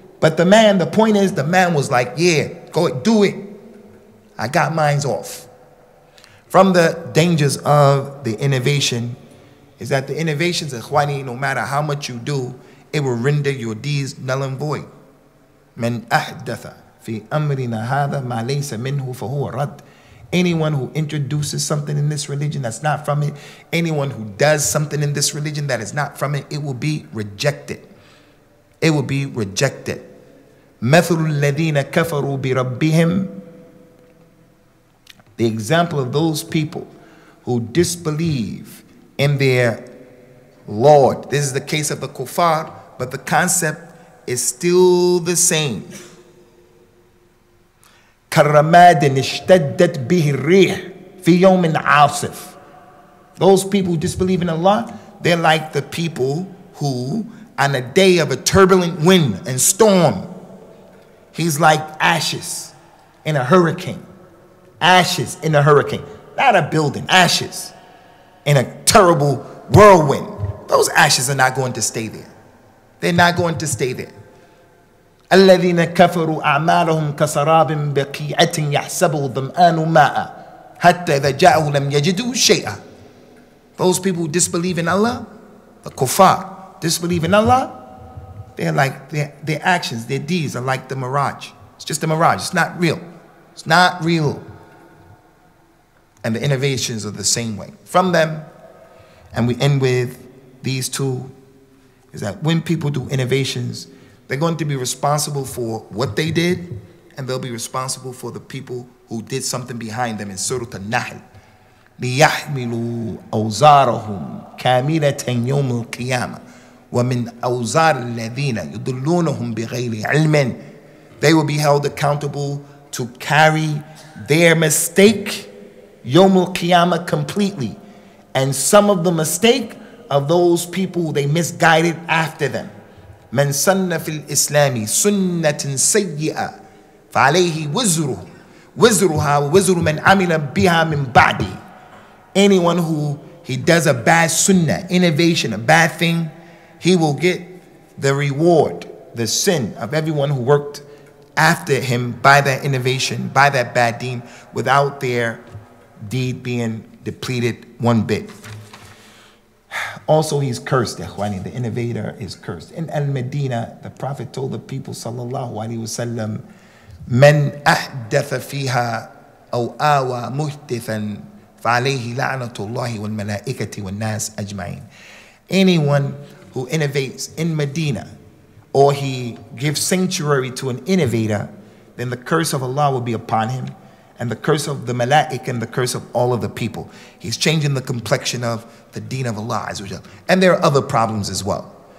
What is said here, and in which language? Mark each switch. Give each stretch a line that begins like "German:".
English: But the point is, the man was like, yeah, go do it. I got mine off. From the dangers of the innovation is that the innovations of Ikhwani, no matter how much you do, it will render your deeds null and void.
Arabic: من أحدث في أمرنا هذا ما ليس منه فهو رد.
English: Anyone who introduces something in this religion that's not from it, anyone who does something in this religion that is not from it, it will be rejected. It will be rejected.
Arabic: مثل الذين كفروا بربهم.
English: The example of those people who disbelieve in their Lord. This is the case of the kuffar, but the concept is still the same.
Arabic: كَرَّمَادٍ اشْتَدَّتْ بِهِ الرِّيحِ فِي يَوْمٍ عَاصِفٍ.
English: Those people who disbelieve in Allah, they're like the people who, on a day of a turbulent wind and storm, he's like ashes in a hurricane. Ashes in a hurricane. Not a building, ashes in a terrible whirlwind. Those ashes are not going to stay there. They're not going to stay there.
Arabic: الذين كفروا أعمالهم كسراب بقيعة يحسبه الظمآن ماء حتى إذا جاءه لم يجدوا شيئا.
English: Those people who disbelieve in Allah, the kuffar, disbelieve in Allah, they're like, their actions, their deeds are like the mirage. It's just a mirage. It's not real. It's not real. And the innovations are the same way. From them, and we end with these two, is that when people do innovations, they're going to be responsible for what they did, and they'll be responsible for the people who did something behind them in Surah An-Nahl.
Arabic: لِيَحْمِلُوا أَوْزَارَهُمْ كَامِلَةً يَوْمُ الْقِيَامَةِ وَمِنْ أَوْزَارِ الَّذِينَ يُضِلُّونَهُمْ بِغَيْرِ عِلْمٍ.
English: They will be held accountable to carry their mistake,
Arabic: يَوْمُ الْقِيَامَةِ,
English: completely. And some of the mistake of those people they misguided after them.
Arabic: من سن في الإسلام سنة سيئة فعليه وزره وزرها وزر من عمل بها من بعدي.
English: Anyone who he does a bad sunnah, innovation, a bad thing, he will get the reward, the sin of everyone who worked after him by that innovation, by that bad deed, without their deed being depleted one bit. Also, he's cursed, Ikhwani. The innovator is cursed. In Al-Medina, the Prophet told the people,
Arabic: sallallahu alayhi wa sallam, من أحدث فيها أو آوى محدثا فعليه لعنة الله والملائكة والناس أجمعين.
English: Anyone who innovates in Medina, or he gives sanctuary to an innovator, then the curse of Allah will be upon him, and the curse of the malaik, and the curse of all of the people. He's changing the complexion of the deen of Allah. And there are other problems as well.